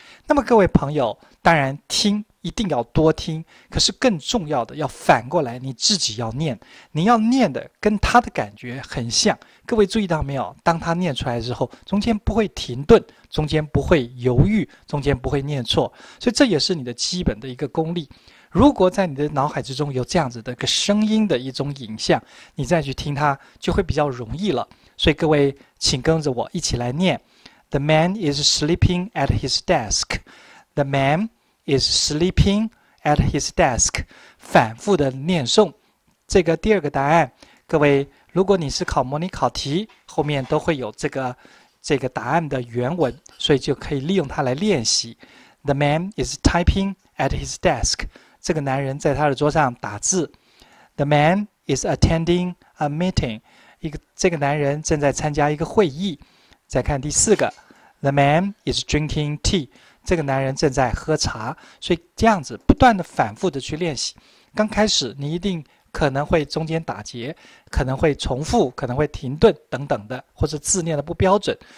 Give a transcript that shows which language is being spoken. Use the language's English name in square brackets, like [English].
[Chinese] 那么各位朋友，当然听一定要多听，可是更重要的要反过来，你自己要念，你要念的跟他的感觉很像。各位注意到没有？当他念出来之后，中间不会停顿，中间不会犹豫，中间不会念错，所以这也是你的基本的一个功力。如果在你的脑海之中有这样子的一个声音的一种影像，你再去听它就会比较容易了。所以各位请跟着我一起来念 [English] The man is sleeping at his desk. The man is sleeping at his desk. [Chinese] 反复的念诵这个第二个答案。各位，如果你是考模拟考题，后面都会有这个答案的原文，所以就可以利用它来练习。 [English] The man is typing at his desk. [Chinese] 这个男人在他的桌上打字。 [English] The man is attending a meeting. [Chinese] 这个男人正在参加一个会议。再看第四个。 [English] The man is drinking tea. [Chinese] 这个男人正在喝茶。所以这样子不断的反复的去练习。刚开始你一定可能会中间打结，可能会重复，可能会停顿等等的，或者字念的不标准。